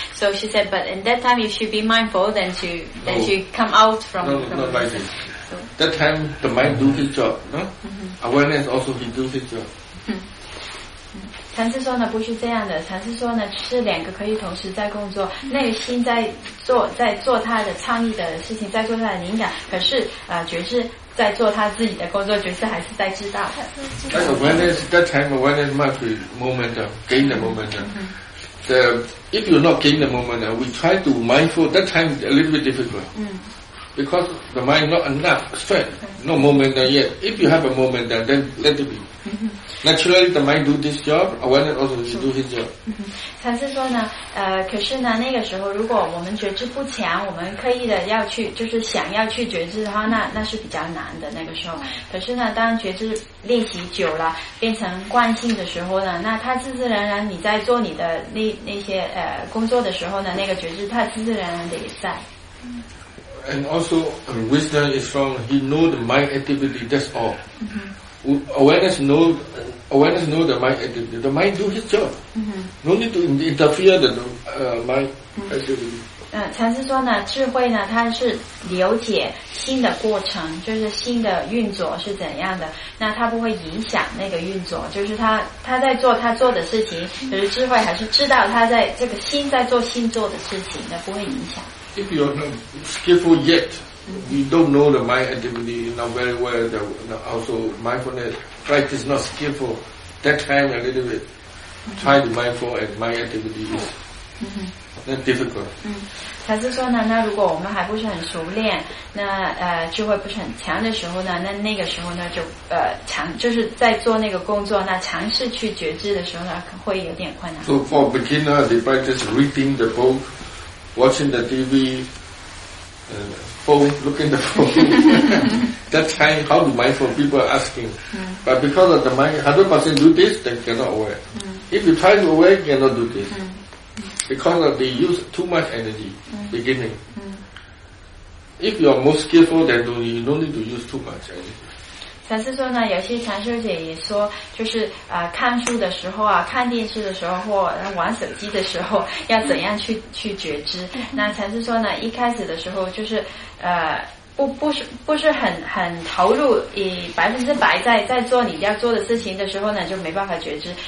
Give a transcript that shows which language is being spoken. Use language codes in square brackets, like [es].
[en] So she said, but in that time you should be mindful then to come out from not like this. So. That that time the mind do his job, no? Awareness also he do his job. [zh] 禅师说呢，不是这样的。禅师说呢，是两个可以同时在工作，那个心在做他的倡议的事情，在做他的灵感。可是觉知在做他自己的工作，觉知还是在知道的。 [en] That awareness, that time awareness must be momentum, gain the momentum. The if you not gain the momentum, we try to mindful. That time a little bit difficult. Because the mind not enough strength, no momentum yet. If you have a momentum, then let it be. Naturally, the mind do this job, awareness also should do his job. [zh] 禅师说呢，可是呢，那个时候如果我们觉知不强，我们刻意的要去，就是想要去觉知的话，那是比较难的那个时候。可是呢，当觉知练习久了，变成惯性的时候呢，那它自自然然你在做你的那些工作的时候呢，那个觉知它自自然然的也在。 [en] And also, wisdom is from he know the mind activity. That's all. Awareness know the mind activity. The mind do his job. No need to interfere the mind activity. [zh] 禅师说呢，智慧呢，它是了解心的过程，就是心的运作是怎样的。那它不会影响那个运作，就是他在做他做的事情。可是智慧还是知道他在这个心在做心做的事情，那不会影响。 [en] If you are not skillful yet, you don't know the mind activity not very well, also mindfulness, practice not skillful, that time a little bit, try to mindful and mind activity is not difficult. [zh] 禅师说呢，那如果我们还不是很熟练，那智慧不是很强的时候呢，那个时候呢就就是在做那个工作，那尝试去觉知的时候呢，可会有点困难。 [en] So for beginner, they practice reading the book,watching the TV, looking the phone. That time, how to mindful, people are asking. But because of the mind, 100% do this, they cannot aware. If you try to aware, you cannot do this. Because of they use too much energy, beginning. If you are more skillful, then you don't need to use too much energy. [zh] 禅师说呢，有些禅修者也说，就是看书的时候啊，看电视的时候或玩手机的时候，要怎样去觉知？那禅师说呢，一开始的时候就是不是很投入，以100%在做你要做的事情的时候呢，就没办法觉知。